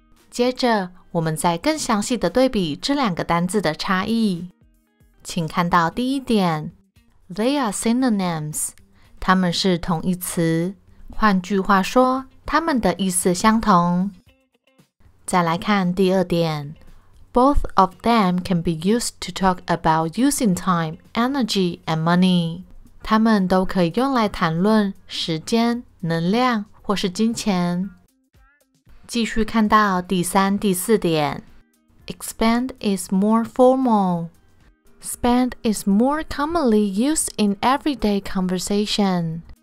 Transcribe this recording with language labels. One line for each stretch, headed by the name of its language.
Chinese: 接着，我们再更详细的对比这两个单字的差异。请看到第一点 ，
English: They are synonyms.
Chinese: 他们是同义词。换句话说，他们的意思相同。再来看第二点
English: ，Both of them can be used to talk about using time, energy, and money.
Chinese: 他们都可以用来谈论时间、能量或是金钱。继续看到第三、第四点 ，
English: expend is more formal. Spend is more commonly used in everyday conversation.